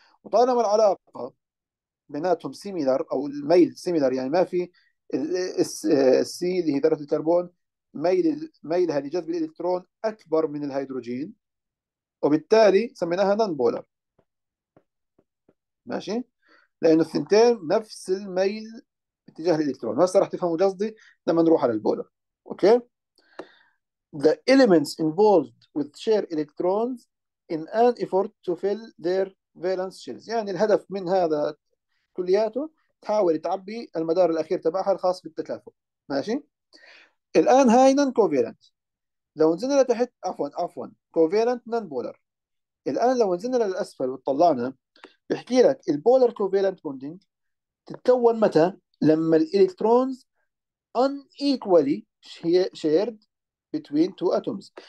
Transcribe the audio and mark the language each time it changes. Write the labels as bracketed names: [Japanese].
[Arabic] وطالما العلاقة بيناتهم سيميلر او الميل سيميلر، يعني ما في السي اللي هي ذره الكربون ميلها لجذب الالكترون اكبر من الهيدروجين، وبالتالي سميناها نون بولر. ماشي؟ لأنه الثنتين نفس الميل باتجاه الإلكترون. هسه راح تفهموا قصدي لما نروح على البولر. [English] Okay? The elements involved with shared electrons in an effort to fill their valence shells. [Arabic] يعني الهدف من هذا كلياته تحاول تعبي المدار الأخير تبعها الخاص بالتكافؤ. ماشي؟ الآن هاي نون كوفيلنت. لو نزلنا لتحت، عفوا كوفيلنت نون بولر. الآن لو نزلنا للأسفل وطلعنا بحكي لك البولر كوفيلنت بوندينج تتكون متى؟ لما [English] الإلكترونز ان equally shared بين تو اتومز.